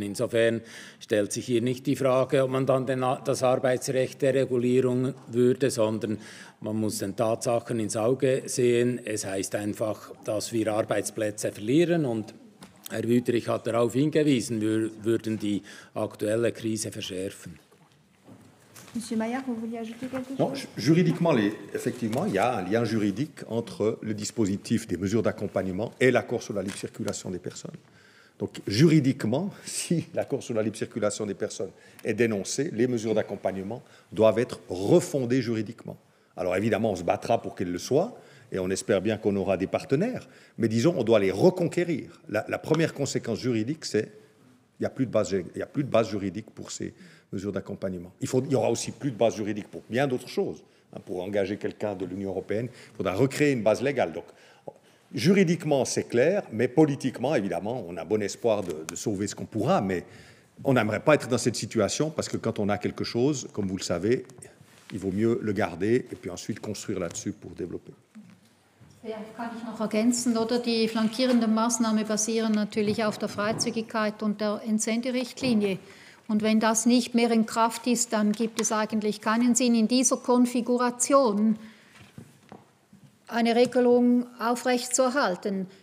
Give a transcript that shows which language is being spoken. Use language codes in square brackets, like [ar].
[de] Insofern stellt sich hier nicht die Frage, ob man dann das Arbeitsrecht der Regulierung würde, sondern man muss den Tatsachen ins Auge sehen. Es heißt einfach, dass wir Arbeitsplätze verlieren und Herr Wüthrich hat darauf hingewiesen, wir würden die aktuelle Krise verschärfen. [fr] Monsieur Maillard, vous vouliez ajouter quelque chose? Non, juridiquement, effectivement, il y a un lien juridique entre le dispositif des mesures d'accompagnement et l'accord sur la libre circulation des personnes. Donc, juridiquement, si l'accord sur la libre circulation des personnes est dénoncé, les mesures d'accompagnement doivent être refondées juridiquement. Alors, évidemment, on se battra pour qu'elles le soient et on espère bien qu'on aura des partenaires, mais disons, on doit les reconquérir. La première conséquence juridique, c'est qu'il n'y a plus de base juridique pour ces mesures d'accompagnement. Il y aura aussi plus de base juridique pour bien d'autres choses. Pour engager quelqu'un de l'Union européenne, il faudra recréer une base légale. Donc, juridiquement, c'est clair, mais politiquement, évidemment, on a bon espoir de sauver ce qu'on pourra, mais on n'aimerait pas être dans cette situation parce que quand on a quelque chose, comme vous le savez, il vaut mieux le garder et puis ensuite construire là-dessus pour développer. [de] Kann ich noch ergänzen, oder? Die flankierenden Maßnahmen basieren natürlich auf der Freizügigkeit und der Entsenderichtlinie. Und wenn das nicht mehr in Kraft ist, dann gibt es eigentlich keinen Sinn, in dieser Konfiguration eine Regelung aufrechtzuerhalten.